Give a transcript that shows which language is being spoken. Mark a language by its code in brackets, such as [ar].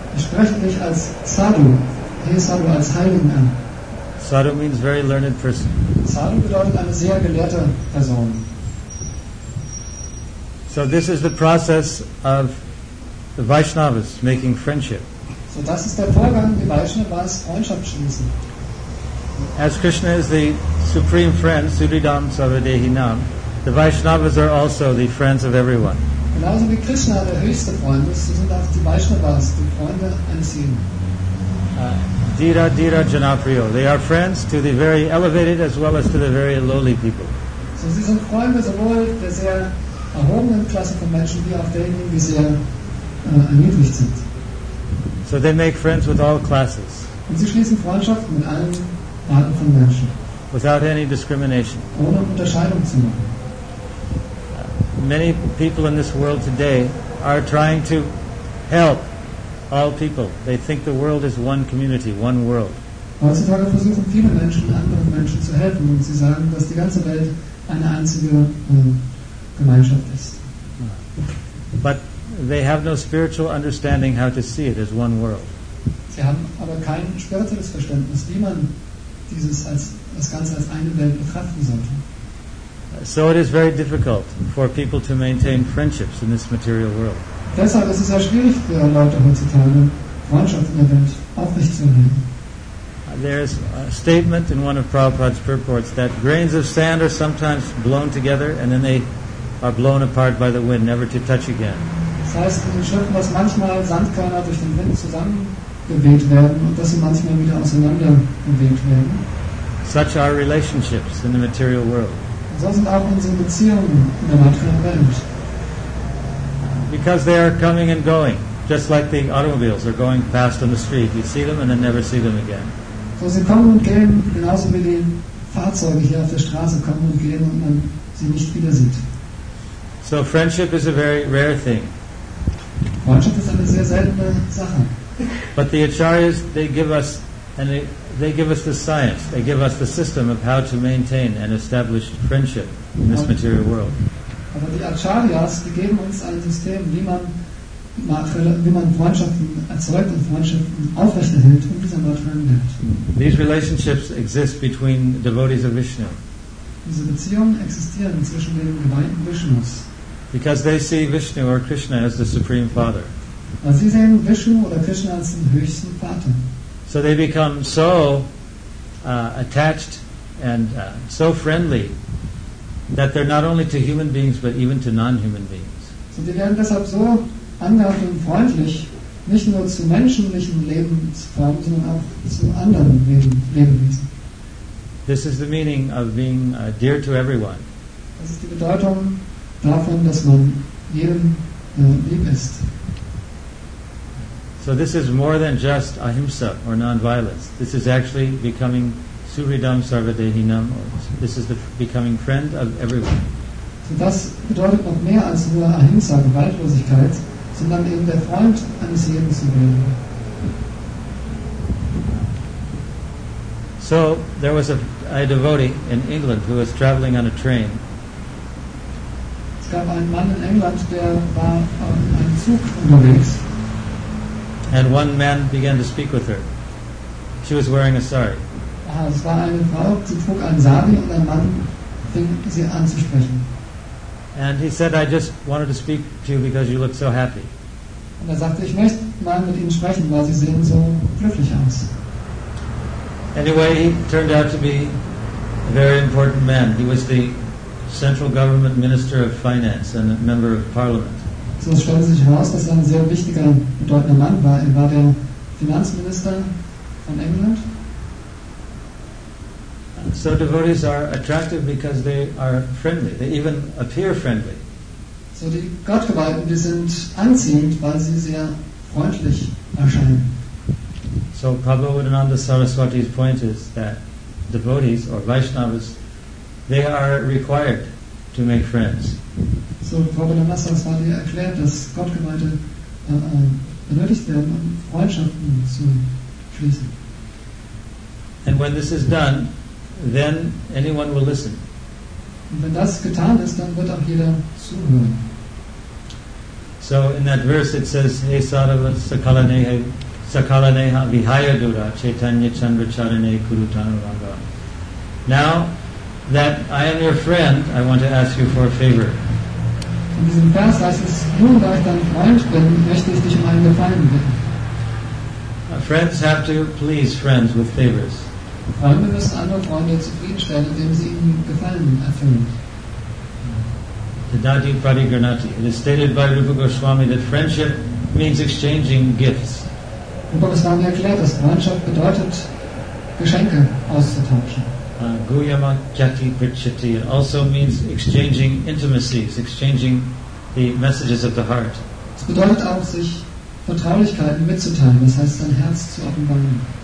[de] Ich spreche dich als sadhu. [sa] He sadhu, [de] als heiligen an. [en] Sadhu means very learned person. [de] Sadhu bedeutet eine sehr gelehrte Person. [en] So this is the process of the Vaishnavas making friendship. [de] So das ist der Vorgang, die Vaishnavas Freundschaft schließen. [en] As Krishna is the supreme friend, [sa] Suridam Savadehinam, [en] the Vaishnavas are also the friends of everyone. [de] Genauso wie Krishna der höchste Freund ist, sind auch die Vaishnavas die Freunde eines jeden. [sa] Dira Dira Janapriyo. [en] They are friends to the very elevated as well as to the very lowly people. [de] So sie sind Freunde sowohl der sehr erhobenen Klasse von Menschen wie auch derjenigen, die sehr erniedrigt sind. [en] So they make friends with all classes. [de] Und sie schließen Freundschaft mit allen Arten von Menschen. [en] Without any discrimination. [de] Ohne Unterscheidung zu machen. [en] Many people in this world today are trying to help all people. They think the world is one community, one world. [de] Heutzutage versuchen viele Menschen, anderen Menschen zu helfen und sie sagen, dass die ganze Welt eine einzige Gemeinschaft ist. [en] But they have no spiritual understanding how to see it as one world. [de] Sie haben aber kein spirituelles Verständnis, wie man dieses als das Ganze als eine Welt betrachten sollte. [en] So it is very difficult for people to maintain friendships in this material world. [de] Deshalb ist es sehr schwierig für Leute heutzutage Freundschaften in der Welt aufrechtzuerhalten. [en] There is a statement in one of Prabhupada's purports that grains of sand are sometimes blown together and then they are blown apart by the wind, never to touch again. [de] Das heißt, in den Schriften, dass manchmal Sandkörner durch den Wind zusammengeweht werden und dass sie manchmal wieder auseinandergeweht werden. [en] Such are relationships in the material world. [de] So sind auch unsere Beziehungen in der materiellen Welt. [en] Because they are coming and going, just like the automobiles are going past on the street. You see them and then never see them again. [de] So sie kommen und gehen, genauso wie die Fahrzeuge hier auf der Straße kommen und gehen und man sie nicht wieder sieht. [en] So friendship is a very rare thing. [de] Freundschaft ist eine sehr seltene Sache. [en] But the acharyas, they give us, and they give us the science. They give us the system of how to maintain and establish friendship in this material world. [de] Aber die acharyas, die geben uns ein System, wie man wie man Freundschaften erzeugt und Freundschaften aufrechterhält in dieser materiellen Welt. [en] These relationships exist between devotees of Vishnu. [de] Diese Beziehungen existieren zwischen den Geweihten Vishnus. [en] Because they see Vishnu or Krishna as the Supreme Father. [de] Weil sie sehen Vishnu oder Krishna als den höchsten Vater. [en] So they become so attached and so friendly that they're not only to human beings but even to non-human beings. [de] So die werden deshalb so angehaft und freundlich, nicht nur zu menschlichen Lebensformen, sondern auch zu anderen Lebewesen. [en] This is the meaning of being dear to everyone. [de] Das ist die Bedeutung davon, dass man jedem lieb ist. [en] So this is more than just ahimsa or non-violence. This is actually becoming [sa] suridam sarvadehinam. [en] This is the becoming friend of everyone. [de] So das bedeutet noch mehr als nur Ahimsa, Gewaltlosigkeit, sondern eben der Freund eines jeden zu werden. [en] So there was a devotee in England who was traveling on a train. [de] Es gab einen Mann in England, der war auf einem Zug unterwegs. [en] And one man began to speak with her. She was wearing a sari. [de] Ah, es war eine Frau, sie trug einen Sari und ein Mann fing sie an zu sprechen. [en] And he said, I just wanted to speak to you because you look so happy. [de] Und sagte, ich möchte mal mit Ihnen sprechen, weil Sie sehen so glücklich aus. [en] Anyway, he turned out to be a very important man. He was the central government minister of finance and a member of parliament. [de] So es stellte sich heraus, dass er ein sehr wichtiger, bedeutender Mann war. Er war der Finanzminister von England. [en] So devotees are attractive because they are friendly. They even appear friendly. [de] So die Gottgeweihten, die sind anziehend, weil sie sehr freundlich erscheinen. [en] So Prabhupada Saraswati's point is that devotees or Vaishnavas, they are required to make friends. [de] So Prabhupada Saraswati erklärt, dass Gottgeweihte benötigt werden, um Freundschaften zu schließen. [en] And when this is done, then anyone will listen. [de] Und wenn das getan ist, dann wird auch jeder zuhören. [en] So in that verse it says, [sa] Hey Sarava Sakalaneha Sakalaneha Vihaya Dura Chaitanya Chandra Charane Kurutana Raga. [en] Now that I am your friend, I want to ask you for a favor. [de] In diesem Vers heißt es, nun da ich dein Freund bin, möchte ich dich um einen Gefallen bitten. [en] Friends have to please friends with favors. [de] Freunde müssen andere Freunde zufriedenstellen, indem sie ihnen Gefallen erfüllen. [sa] Dadi Parigranati. [en] It is stated by Rupa Goswami that friendship means exchanging gifts. [de] Rupa Goswami erklärt, dass Freundschaft bedeutet, Geschenke auszutauschen. [sa] Guyama Kyati Pritchati. [en] It also means exchanging intimacies, exchanging the messages of the heart. [de] Es bedeutet auch, sich Vertraulichkeiten mitzuteilen, das heißt, sein Herz zu offenbaren.